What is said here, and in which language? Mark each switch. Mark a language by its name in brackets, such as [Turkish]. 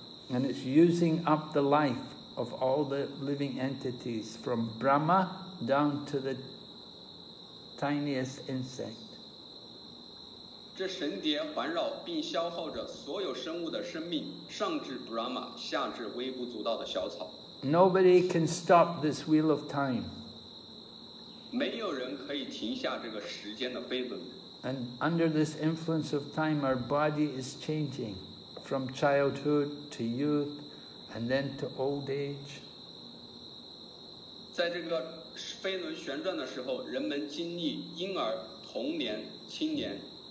[English] And it's using up the life of all the living entities from Brahma down to the tiniest insect. [Chinese] 这神碟环绕并消耗着所有生物的生命，上至 Brahma, 下至微不足道的小草。 [English] Nobody can stop this wheel of time. [Chinese] 没有人可以停下这个时间的飞轮。 [English] And under this influence of time, our body is changing from childhood to youth and then to old age. [Chinese] 在这个飞轮旋转的时候，人们经历婴儿、童年、青年。